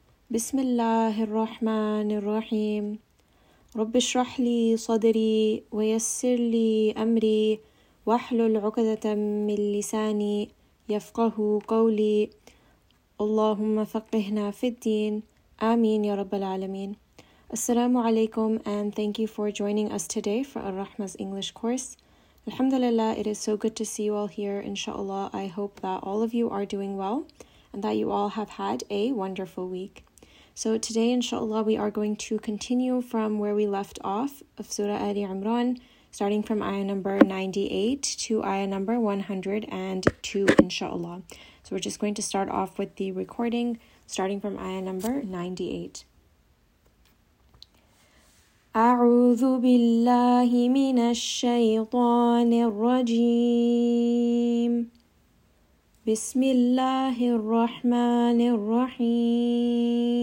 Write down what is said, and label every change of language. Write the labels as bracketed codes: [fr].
[ar] بسم الله الرحمن الرحيم. رب اشرح لي صدري ويسر لي أمري واحلل عقدة من لساني يفقه قولي. اللهم فقهنا في الدين. آمين يا رب العالمين. السلام عليكم [en] and thank you for joining us today for Ar-Rahma's English course. Alhamdulillah, it is so good to see you all here, inshallah. I hope that all of you are doing well and that you all have had a wonderful week. So today, inshallah, we are going to continue from where we left off of Surah Ali Imran, starting from ayah number 98 to ayah number 102, inshallah. So we're just going to start off with the recording, starting from ayah number 98. [ar] أعوذ بالله من الشيطان الرجيم بسم الله الرحمن الرحيم